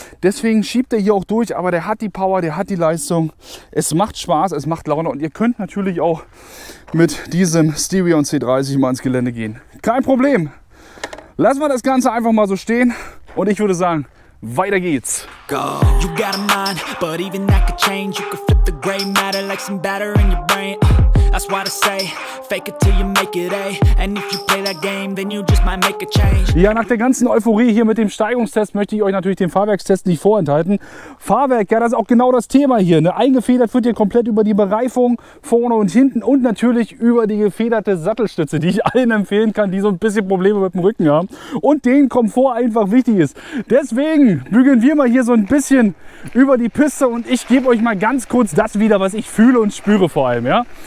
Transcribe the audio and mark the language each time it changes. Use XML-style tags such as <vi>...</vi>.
<de>Deswegen schiebt er hier auch durch, aber der hat die Power, der hat die Leistung. Es macht Spaß, es macht Laune und ihr könnt natürlich auch mit diesem Stevion C30 mal ins Gelände gehen. Kein Problem. Lassen wir das Ganze einfach mal so stehen und ich würde sagen, weiter geht's.</de> <en>Go. You got a mind, but even that could change. You could flip the gray matter like some batter in your brain. That's why I say, fake it till you make it, ey. And if you play that game, then you just might make a change.</en> <de>Ja, nach der ganzen Euphorie hier mit dem Steigungstest möchte ich euch natürlich den Fahrwerkstest nicht vorenthalten. Fahrwerk, ja, das ist auch genau das Thema hier. Ne? Eingefedert wird hier komplett über die Bereifung vorne und hinten und natürlich über die gefederte Sattelstütze, die ich allen empfehlen kann, die so ein bisschen Probleme mit dem Rücken haben. Und den Komfort einfach wichtig ist. Deswegen bügeln wir mal hier so ein bisschen über die Piste und ich gebe euch mal ganz kurz das wieder, was ich fühle und spüre vor allem, ja.</de>